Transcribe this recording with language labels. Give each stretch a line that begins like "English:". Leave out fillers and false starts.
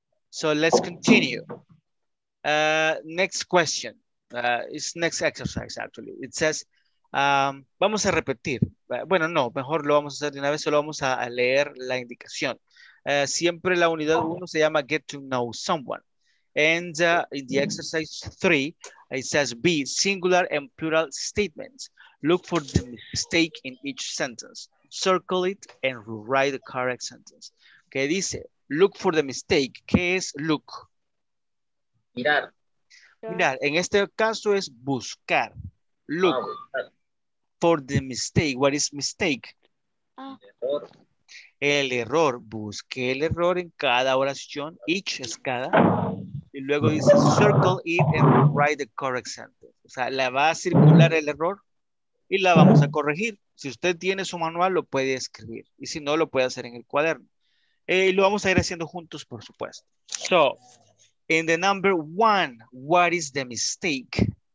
English: So let's continue. Next question. It's next exercise, actually. It says,
Spanish: vamos a repetir. Bueno, no, mejor lo vamos a hacer de una vez, solo vamos a leer la indicación. Siempre la unidad 1 se llama
English: Get to Know Someone. And in the exercise 3, it says B, singular and plural statements. Look for the mistake in each sentence. Circle it and write the correct sentence.
Spanish: ¿Qué dice?
English: Look for the mistake.
Spanish: ¿Qué es look? Mirar. Mirar. En este caso es buscar.
English: Look.
Spanish: Ah, buscar.
English: For the mistake. What is mistake?
Spanish: Error. El error. Busque el error en cada oración. Each es cada. Y luego dice
English: circle it and write the correct sentence.
Spanish: O sea, la va a circular el error y la vamos a corregir. Si usted tiene su manual, lo puede escribir. Y si no, lo puede hacer en el cuaderno. Lo vamos a ir haciendo juntos, por supuesto.
English: So, in the number one, what is the mistake?